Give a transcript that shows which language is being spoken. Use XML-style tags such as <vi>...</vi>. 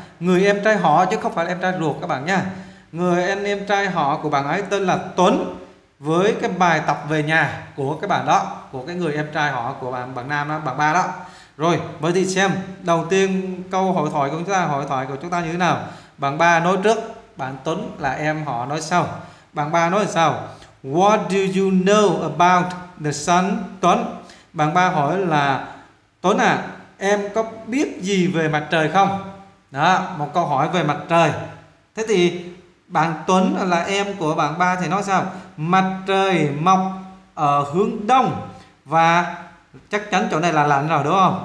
<vi>Người em trai họ chứ không phải em trai ruột các bạn nha. Người em trai họ của bạn ấy tên là Tuấn, với cái bài tập về nhà của cái bạn đó, của cái người em trai họ của bạn nam đó, bạn ba đó. Rồi, vậy thì xem đầu tiên câu hội thoại của chúng ta như thế nào. Bạn ba nói trước, bạn Tuấn là em họ nói sau. Bạn ba nói sao?</vi> <en>What do you know about the son Tuấn?</en> <vi>Bạn ba hỏi là Tuấn à, em có biết gì về mặt trời không? Đó, một câu hỏi về mặt trời. Thế thì bạn Tuấn là em của bạn ba thì nói sao? Mặt trời mọc ở hướng đông. Và chắc chắn chỗ này là lạnh rồi đúng không?</vi>